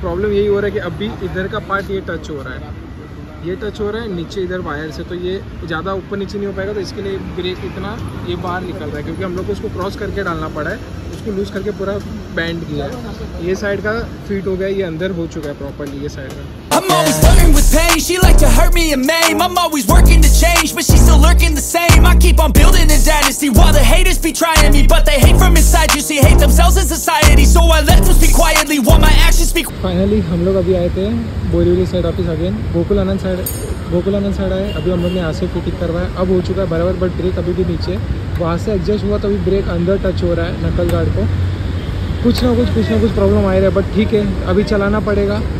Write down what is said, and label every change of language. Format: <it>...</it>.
<hi>Problem यही हो रहा है कि अभी इधर का पार्ट ये टच हो रहा है, ये टच हो रहा है नीचे इधर वायर से, तो ये ज़्यादा ऊपर नीचे नहीं हो पाएगा, तो इसके लिए ब्रेक इतना ये बाहर निकल रहा है क्योंकि हम लोग को उसको क्रॉस करके डालना पड़ा है, उसको लूज़ करके पूरा बैंड किया है। ये साइड का फिट हो गया, ये अंदर हो चुका है प्रॉपरली ये साइड का।</hi> <en>I'm always learning with pain, she like to hurt me and maim, I'm always working to change, but she's still lurking the same, I keep on building a dynasty, while the haters be trying me, but they hate from inside, you see, hate themselves in society, so I let them speak quietly, while my actions speak...</en> <hi>Finally, हम लोग अभी आए थे, Borivali side office again, Gokul आनंद side आए, अभी हम लोग ने यहाँ से फिटिंग करवाया, अब हो चुका है बराबर, बट ब्रेक अभी भी नीचे, वहाँ से एडजस्ट हुआ तो अभी ब्रेक अंदर टच हो रहा है नकल गार्ड को, कुछ ना कुछ प्रॉब्लम आ रहा है, बट ठीक है अभी चलाना पड़ेगा।</hi>